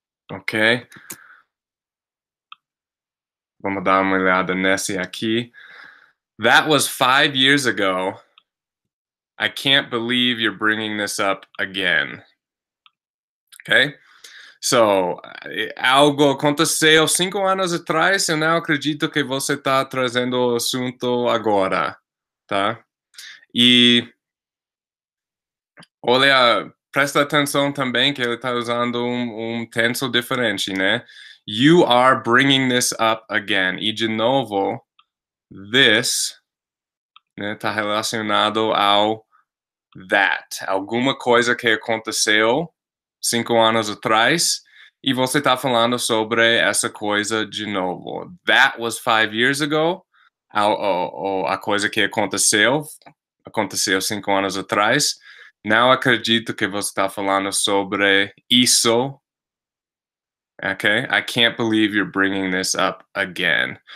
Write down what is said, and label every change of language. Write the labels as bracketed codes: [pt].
[pt] Ok. Vamos dar uma olhada nesse aqui. [en] That was 5 years ago. I can't believe you're bringing this up again. Okay? [pt] So, algo aconteceu 5 anos atrás, eu não acredito que você está trazendo o assunto agora, tá? E olha, presta atenção também que ele está usando um tenso diferente, né? [en] You are bringing this up again. [pt] E de novo, this, né, está relacionado ao that, alguma coisa que aconteceu 5 anos atrás, e você está falando sobre essa coisa de novo. [en] That was 5 years ago, [pt] a coisa que aconteceu 5 anos atrás. Não acredito que você está falando sobre isso, [en] Okay, I can't believe you're bringing this up again.